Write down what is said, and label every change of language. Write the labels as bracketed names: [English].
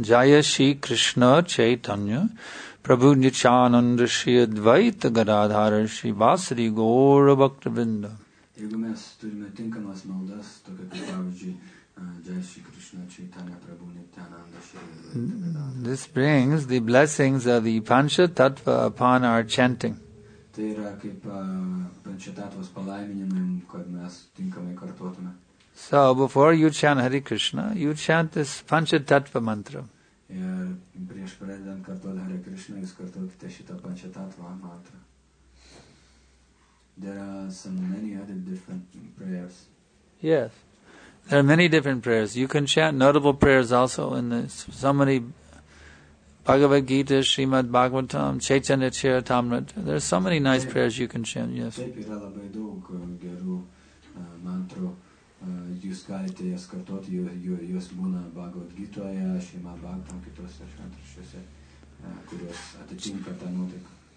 [Sanskrit] Jaya Shri Krishna Chaitanya Prabhu Nityananda Shri Advaita Gadadhara Shri Vasari Gaura Bhaktavinda. [Lithuanian] Jeigu mes turime tinkamas maldas, tokia kaip pavyzdžiui, Jaya Shri Krishna Chaitanya Prabhu Nityananda Shri Advaita. [English] This brings the blessings of the Pancha Tattva upon our chanting. [Lithuanian] Tai yra kaip pančiatatvos palaiminimui, kad mes tinkamai kartuotume. [English] So, before you chant Hare Krishna, you chant this pančiatatva mantra. [Lithuanian] Ir prieš pradedant kartuoti Hare Krishna, jūs kartuokite šitą pančiatatva mantra. [English] There are some many other different prayers. Yes. There are many different prayers. You can chant notable prayers also in this. So many Bhagavad Gita, Srimad Bhagavatam, Chaitanya Charitamrita. There's so many nice prayers you can chant, yes. [Lithuanian] Taip yra labai daug gerų mantrų. Jūs galite jas kartoti, jūs būna Bhagavad Gita, Srimad Bhagavatam, kitose šventrašiuose, kurios atitinka tą nuotaiką.